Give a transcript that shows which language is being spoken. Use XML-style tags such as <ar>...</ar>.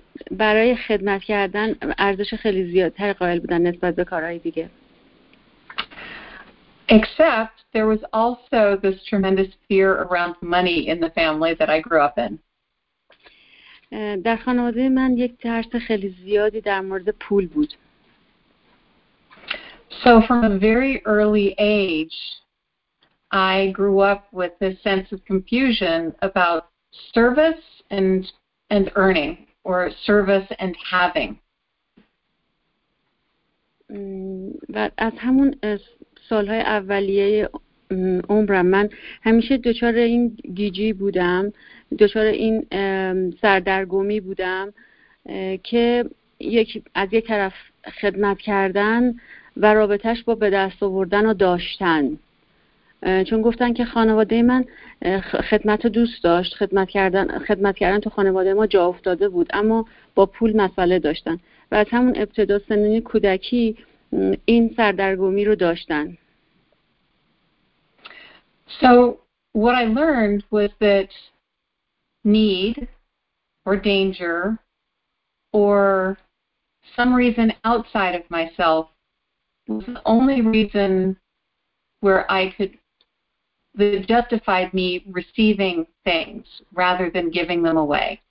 <fa>برای خدمت کردن ارزش خیلی زیادتر قائل بودن نسبت به کارهای دیگه.</fa> <en>Except there was also this tremendous fear around money in the family that I grew up in.</en> <fa>در خانواده من یک ترس خیلی زیادی در مورد پول بود.</fa> <en>So from a very early age I grew up with this sense of confusion about service and earning. Or service and having. But</en> <fa>از همون سالهای اولیه عمرم من همیشه دچار این گیجی بودم، دچار این سردرگمی بودم که یک از یک طرف خدمت کردن و رابطش با به دست آوردن رو داشتن. چون گفتن که خانواده من خدمت رو دوست داشت، خدمت کردن تو خانواده ما جا افتاده بود، اما با پول مسئله داشتن و از همون ابتدا سنین کودکی این سردرگمی رو داشتن.</fa> <en>So what I learned was that need or danger or some reason outside of myself was the only reason where I could that justified me receiving things rather than giving them away.</en>